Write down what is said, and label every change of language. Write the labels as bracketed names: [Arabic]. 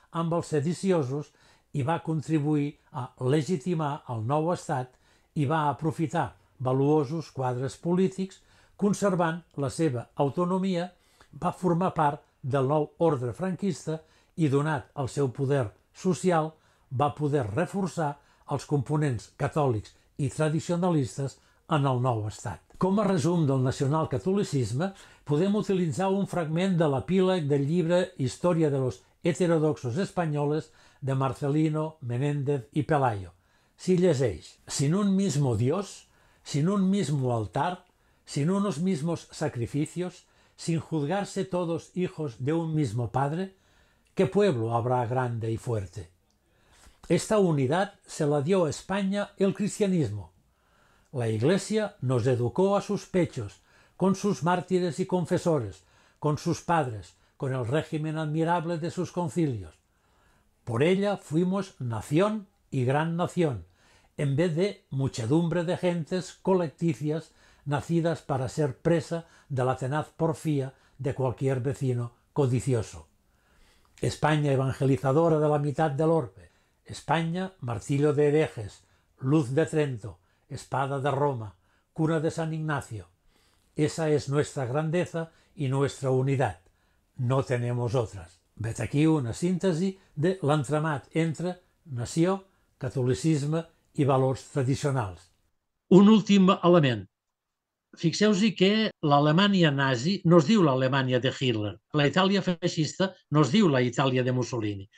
[Catalan] amb els sediciosos i va contribuir a legitimar el nou estat i va aprofitar valuosos quadres polítics, conservant la seva autonomia, va formar part del nou ordre franquista i, donat el seu poder social, va poder reforçar els components catòlics i tradicionalistes en el nou estat. Com a resum del nacionalcatolicisme, podem utilitzar un fragment de l'epíleg del llibre Història de los heterodoxos españoles de Marcelino, Menéndez i Pelayo. S'hi llegeix: [Spanish] sin un mismo Dios, sin un mismo altar, sin unos mismos sacrificios, sin juzgarse todos hijos de un mismo padre, ¿qué pueblo habrá grande y fuerte? Esta unidad se la dio a España el cristianismo. La Iglesia nos educó a sus pechos, con sus mártires y confesores, con sus padres, con el régimen admirable de sus concilios. Por ella fuimos nación y gran nación, en vez de muchedumbre de gentes colecticias nacidas para ser presa de la tenaz porfía de cualquier vecino codicioso. España evangelizadora de la mitad del orbe. España, martillo de herejes, luz de Trento, espada de Roma, cuna de San Ignacio. Esa es nuestra grandeza y nuestra unidad. No tenemos otras. [Catalan] Vet aquí una síntesi de l'entramat entre nació, catolicisme i valors tradicionals. Un últim element. Fixeu-vos-hi que l'Alemanya nazi no es diu l'Alemanya de Hitler, la Itàlia feixista no es diu la Itàlia de Mussolini.